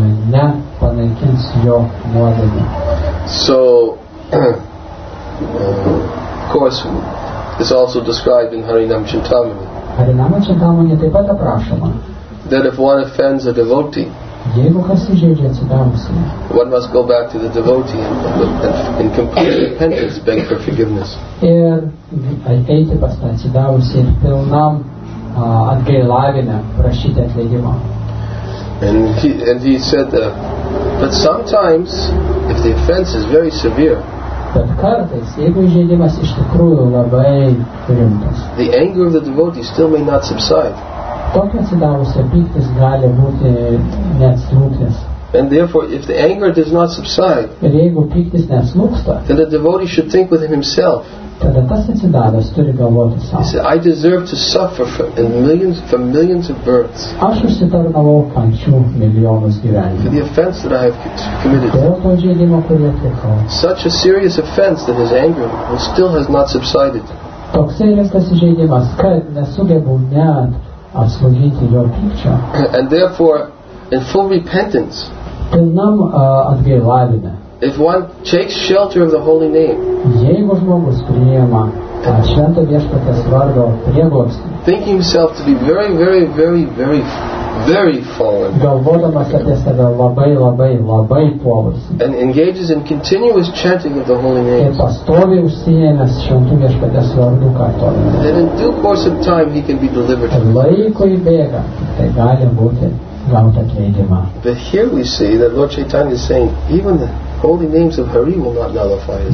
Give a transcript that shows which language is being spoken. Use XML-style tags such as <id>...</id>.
<lt>Ne panaikins jo nuodėmę.</lt> <en>So, of course, it's also described in Harinam Chintamani.</en> <lt>Harinam Chintamani taip pat aprašoma.</lt> <en>That if one offends a devotee,</en> <lt>jeigu kas įžeidžia atsidavusį,</lt> <en>one must go back to the devotee and complete repentance, beg for forgiveness.</en> <lt>Ir eiti pas tą atsidavusį pilnam atgailavime prašyti atleidimą.</lt> <en>And he said that, but sometimes, if the offense is very severe,</en> <lt>bet kartais, jeigu įžeidimas iš tikrųjų labai rimtas,</lt> <en>the anger of the devotee still may not subside.</en> <lt>Tokio atsidavusio pyktis gali būti neatslūgęs.</lt> <en>And therefore, if the anger does not subside,</en> <lt>ir jeigu pyktis neatslūgsta,</lt> <en>then the devotee should think within himself.</en> <lt>Tada tas atsidavęs turi galvoti sau.</lt> <en>He said, I deserve to suffer for millions of births.</en> <lt>Aš užsitarnavau kančių milijonus gyvenimų.</lt> <en>For the offense that I have committed.</en> <lt>Dėl to įžeidimo, kurį atlikau.</lt> <en>Such a serious offense that his anger still has not subsided.</en> <lt>Toksai rimtas įžeidimas, kad nesugebu net atslūgyti jo pykčio.</lt> <en>And therefore, in full repentance,</en> <lt>pilnam atgailavime,</lt> <en>if one takes shelter of the holy name,</en> <lt>jeigu žmogus priima švento viešpaties vardo prieglobstį,</lt> <en>thinking himself to be very, very, very, very, very fallen,</en> <lt>galvodamas apie save labai, labai, labai puolusį,</lt> <en>and engages in continuous chanting of the holy name,</en> <lt>ir pastoviai užsiėmęs švento viešpaties vardų kartojimą,</lt> <en>then in due course of time he can be delivered.</en> <lt>Laikui bėgant tai gali būti gauta atleidimą.</lt> <en>But here we see that Lord Chaitanya is saying, even the holy names of Hari will not nullify his</en>